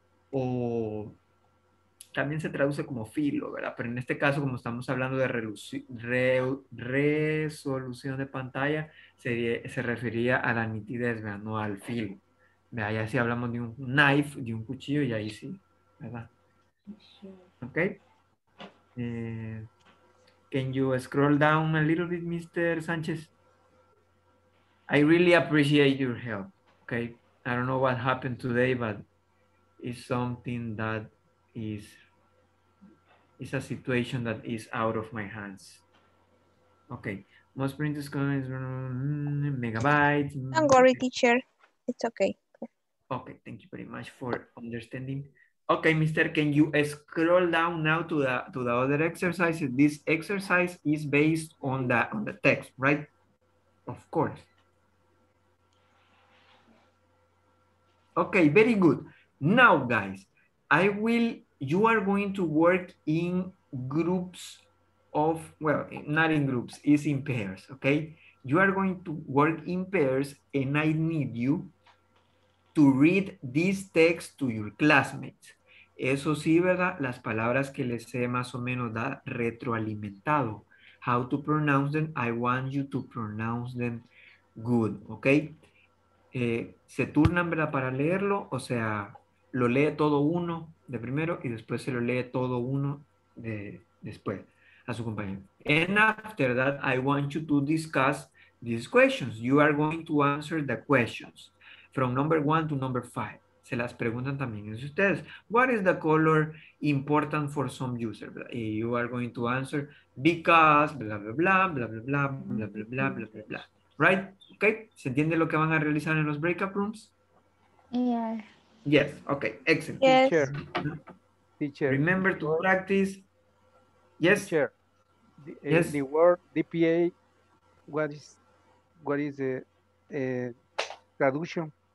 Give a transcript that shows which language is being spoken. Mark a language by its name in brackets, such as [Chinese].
[Spanish] O también se traduce como filo, ¿verdad? Pero en este caso, como estamos hablando de resolución de pantalla, se refería a la nitidez, ¿verdad? No al filo. Vea, ya si hablamos de un knife, de un cuchillo, y ahí sí, ¿verdad? [English] Ok. Can you scroll down a little bit, Mr. Sánchez? I really appreciate your help. Okay, I don't know what happened today, but it's something that is a situation that is out of my hands. Okay, most printers come in megabytes. Don't worry, teacher. It's okay. Okay, thank you very much for understanding. Okay, Mister, can you scroll down now to the other exercise? This exercise is based on the text, right? Of course. Okay, very good. Now, guys, you are going to work in groups of, well, not in groups, it's in pairs, okay? You are going to work in pairs, and I need you to read this text to your classmates. [Spanish] Eso sí, ¿verdad? Las palabras que les he más o menos da retroalimentado. [English] How to pronounce them? I want you to pronounce them good, okay? [Spanish] Se turnan, ¿verdad? Para leerlo, o sea, lo lee todo uno de primero y después se lo lee todo uno de después a su compañero. [English] And after that, I want you to discuss these questions. You are going to answer the questions from number one to number five. [Spanish] Se las preguntan también a ustedes. [English] What is the color important for some user? You are going to answer because, blah, blah, blah, blah, blah, blah, blah, blah, blah, blah, blah, blah. Right? Okay. [Spanish] ¿Se entiende lo que van a realizar en los breakout rooms? [English] Yeah. Yes. Okay. Excellent. Yes. Teacher. Teacher. Remember to practice. Yes. Teacher. Yes. The word DPA. What is the traduction?